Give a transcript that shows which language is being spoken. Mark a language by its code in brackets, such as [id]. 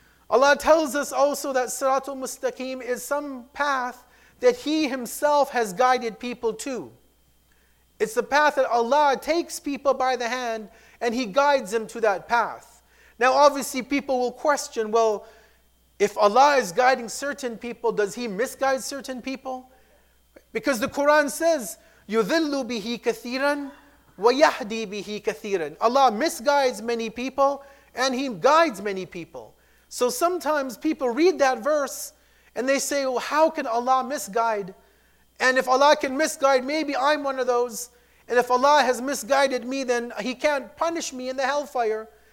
[en] Allah tells us also that Siratul Mustaqim is some path that He Himself has guided people to. It's the path that Allah takes people by the hand and He guides them to that path. Now obviously people will question, well, if Allah is guiding certain people, does He misguide certain people? [ar] Because the Quran says, يُذِلُّ بِهِ كَثِيرًا وَيَهْدِي بِهِ كَثِيرًا. [en] Allah misguides many people and He guides many people. So sometimes people read that verse and they say, well, how can Allah misguide? And if Allah can misguide, maybe I'm one of those. And if Allah has misguided me, then He can't punish me in the hellfire.